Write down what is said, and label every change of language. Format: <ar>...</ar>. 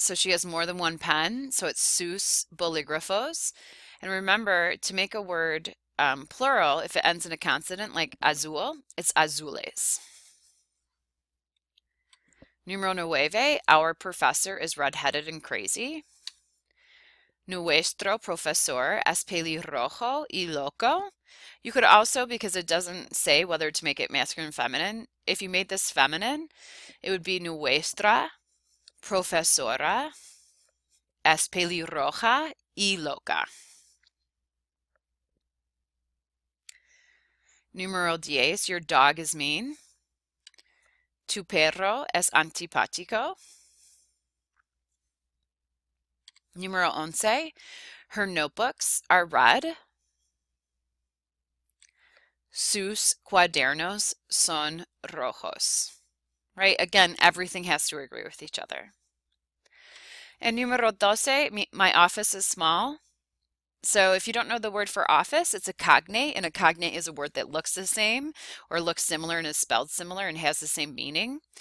<en>So she has more than one pen, so it's</en> <es>sus bolígrafos.</es> <en>And remember, to make a word plural, if it ends in a consonant like azul, it's azules.</en> <es>Numero nueve,</es> <en>our professor is redheaded and crazy.</en> <es>Nuestro profesor es pelirrojo y loco.</es> <en>You could also, because it doesn't say whether to make it masculine or feminine, if you made this feminine, it would be</en> <es>nuestra profesora es pelirroja y loca. Numero diez,</es> <en>your dog is mean.</en> <es>Tu perro es antipático. Numero once,</es> <en>her notebooks are red.</en> <es>Sus cuadernos son rojos.</es> <en>Right? Again, everything has to agree with each other. And numero 12, my office is small. So if you don't know the word for office, it's a cognate, and a cognate is a word that looks the same or looks similar and is spelled similar and has the same meaning.</en>